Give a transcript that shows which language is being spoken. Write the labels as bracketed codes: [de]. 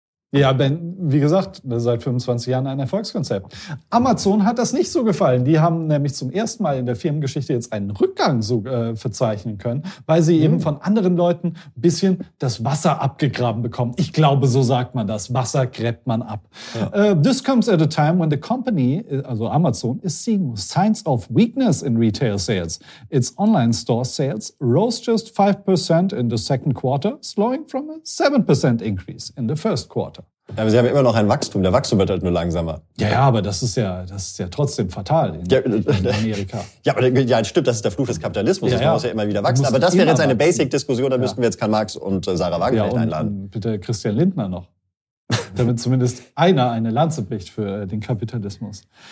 [de] Ja, Ben, wie gesagt, seit 25 Jahren ein Erfolgskonzept. Amazon hat das nicht so gefallen. Die haben nämlich zum ersten Mal in der Firmengeschichte jetzt einen Rückgang so verzeichnen können, weil sie eben von anderen Leuten ein bisschen das Wasser abgegraben bekommen. Ich glaube, so sagt man das. Wasser gräbt man ab. Ja. [en] This comes at a time when the company, also Amazon, is seeing signs of weakness in retail sales. Its online store sales rose just 5% in the second quarter, slowing from a 7% increase in the first quarter. [de] Ja, aber sie haben immer noch ein Wachstum. Der Wachstum wird halt nur langsamer. Ja, ja, aber das ist ja trotzdem fatal in Amerika. Ja, aber ja, stimmt, das ist der Fluch des Kapitalismus. Ja, man muss ja immer wieder wachsen. Aber das wäre jetzt eine Basic-Diskussion. Da müssten wir jetzt Karl Marx und Sarah Wagenknecht einladen. Bitte Christian Lindner noch. Damit zumindest einer eine Lanze bricht für den Kapitalismus.